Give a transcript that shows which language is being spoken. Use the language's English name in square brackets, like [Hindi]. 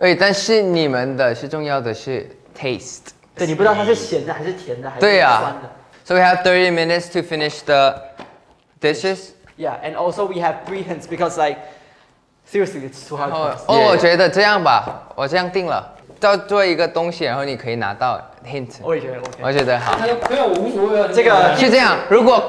[Chinese] 虽然今天不知道写了什么东西，我不会煎蛋，但是你们的是重要的是 [English] taste， [Chinese] 对，你不知道它是咸的还是甜的还是酸的。 [English] So we have 30 minutes to finish the dishes. Yeah, and also we have 3 hints because like seriously it's too hard. [Chinese] 哦，我觉得这样吧，我这样定了，再做一个东西，然后你可以拿到 hint。我也觉得好。没有，无所谓啊，这个是这样。如果